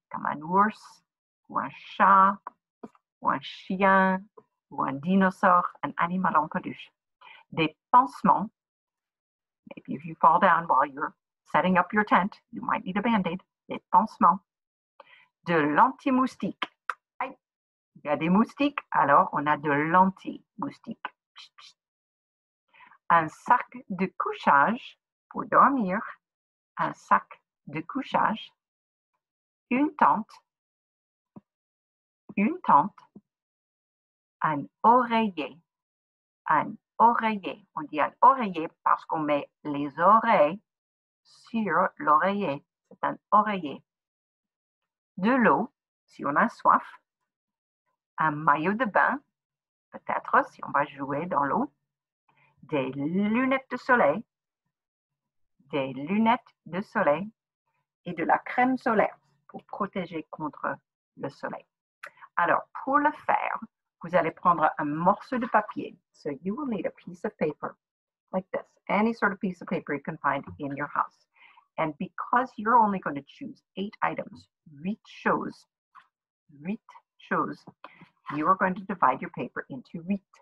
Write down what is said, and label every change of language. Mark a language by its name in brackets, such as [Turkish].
[French] Comme un ours, ou un chat, ou un chien, ou un dinosaure, un animal en peluche. Des pansements. [English] Maybe if you fall down while you're setting up your tent, you might need a band-aid. [French] Des pansements. De l'anti-moustique. Il y a des moustiques, alors on a de l'anti-moustique. Un sac de couchage pour dormir. Un sac de couchage. Une tente, une tente, un oreiller, un oreiller. On dit un oreiller parce qu'on met les oreilles sur l'oreiller. C'est un oreiller. De l'eau, si on a soif. Un maillot de bain, peut-être si on va jouer dans l'eau. Des lunettes de soleil, des lunettes de soleil et de la crème solaire. Pour protéger contre le soleil. Alors, pour le faire, vous allez prendre un morceau de papier. [English] So you will need a piece of paper like this. Any sort of piece of paper you can find in your house. And because you're only going to choose 8 items, [French] 8 choses, [English] you are going to divide your paper into 8.